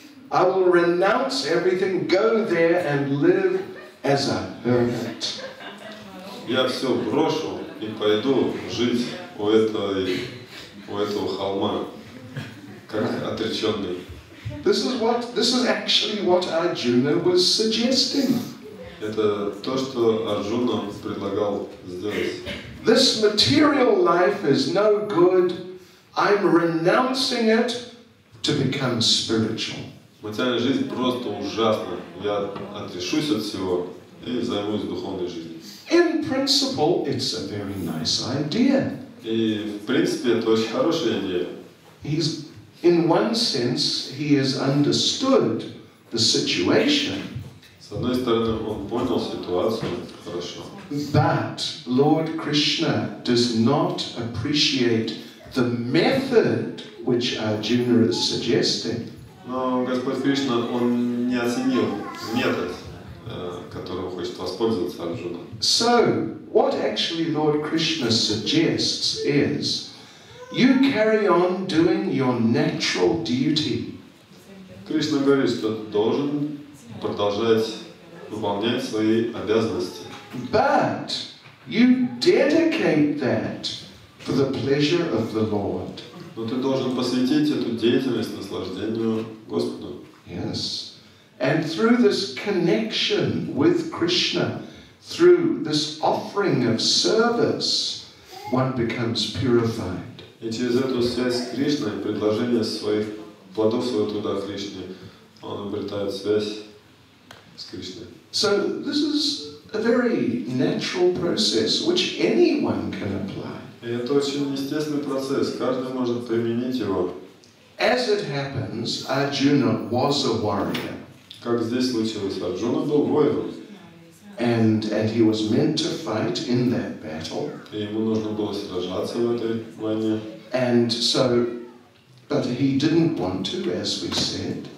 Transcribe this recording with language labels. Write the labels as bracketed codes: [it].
[en] I will renounce everything, go there and live as a hermit. [ru] Я все брошу и пойду жить у этого холма, как отреченный. [en] This is actually what Arjuna was suggesting. [ru] Это то, что Арджуна предлагал сделать. [en] This material life is no good. I'm renouncing it to become spiritual. [ru] Материальная жизнь просто ужасна. Я отрешусь от всего и займусь духовной жизнью. [en] In principle, it's a very nice idea. [ru] И в принципе это очень хорошая идея. [en] He's, in one sense, he has understood the situation. [ru] С одной стороны, он понял ситуацию хорошо. [en] But Lord Krishna does not appreciate the method which Arjuna is suggesting. [ru] Но Господь Кришна, он не оценил метод, которого хочет воспользоваться Арджуна. [en] So, what actually Lord Krishna suggests is, you carry on doing your natural duty. [ru] Кришна говорит, что должен продолжать выполнять свои обязанности. [en] But you dedicate that for the pleasure of the Lord. [ru] Но ты должен посвятить эту деятельность наслаждению Господу. [en] Yes. And through this connection with Krishna, through this offering of service, one becomes purified. [ru] И через эту связь с Кришной, предложение своих плодов своего труда Кришне, он обретает связь с Кришной. [en] So this is a very natural process, which anyone can apply. [ru] И это очень естественный процесс, каждый может применить его. [en] As it happens, Arjuna was a warrior. [ru] Как здесь случилось, Арджуна был воином. [en] And he was meant to fight in that battle. [ru] И ему нужно было сражаться в этой войне. [en] And so, but he didn't want to, as we said.